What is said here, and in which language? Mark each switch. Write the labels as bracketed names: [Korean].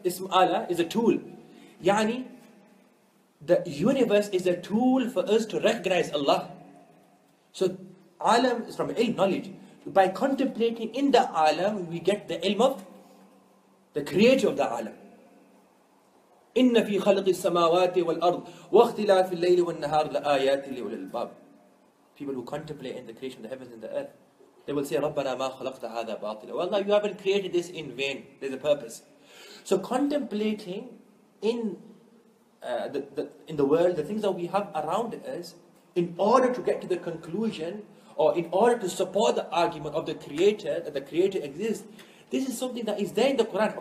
[English] Ism ala is a tool. Yani, the universe is a tool for us to recognize Allah. So, alam is from ilm, knowledge. By contemplating in the alam, we get the ilm of the creator of the alam. [Arabic] إن في خلق السماوات والأرض واختلاف الليل والنهار لآيات لأولي الألباب. [English] People who contemplate in the creation of the heavens and the earth, they will say, [Arabic] ربنا ما خلقت هذا باطلا. [English] Well, Allah, you haven't created this in vain. There's a purpose. So contemplating in the in the world, the things that we have around us, in order to get to the conclusion, or in order to support the argument of the Creator, that the Creator exists, this is something that is there in the Quran.